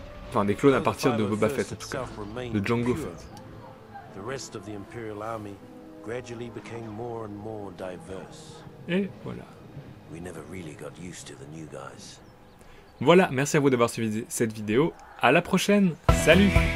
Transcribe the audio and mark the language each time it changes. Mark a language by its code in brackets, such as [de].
[fr] Enfin, des clones à partir de Boba Fett, en tout cas. De Jango Fett. [en] The rest of the Imperial army gradually became more and more diverse. [fr] Et voilà. [en] We never really got used to the new guys. [fr] Voilà, merci à vous d'avoir suivi cette vidéo. À la prochaine. Salut.